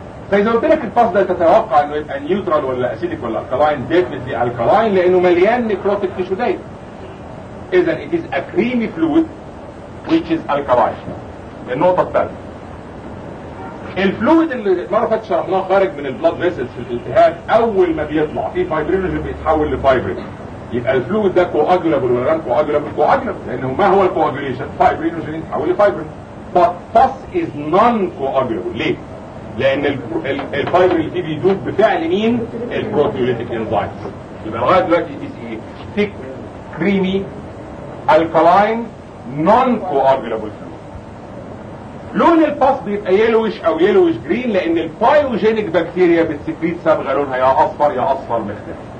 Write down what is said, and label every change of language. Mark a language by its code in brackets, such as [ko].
[ar] فاذا قلت لك الباس ده تتوقع انه يبقى نيوترال ولا اسيديك ولا الكلاين ديفنتلي الكلاين لانه مليان نيكروتيك تيشو دايب اذا it is a creamy fluid which is alkaline. النقطة الثالثة الفلويد اللي مرة فاتت شرحناه خارج من البلاد فيسلز في الالتهاب اول ما بيطلع فيه فايبرينوجين بيتحول لفايبرين يبقى الفلويد ده كواجلابل ولا غير كواجلابل كواجلابل لانه ما هو الكواجليشن فايبرينوجين يتحول لفايبرين. [en] But pus is non-coagulable. [ar] ليه؟ لان الفايبر اللي فيه بيدوب بفعل مين؟ البروتيوليتك انزيمز. يبقى لغايه دلوقتي دي ايه؟ thick creamy alkaline non-coagulable fluid. لون الباس بيبقى يلوش او يلوش جرين لان البايوجينيك بكتيريا بتسكريت صبغه لونها يا اصفر يا اصفر مختلف.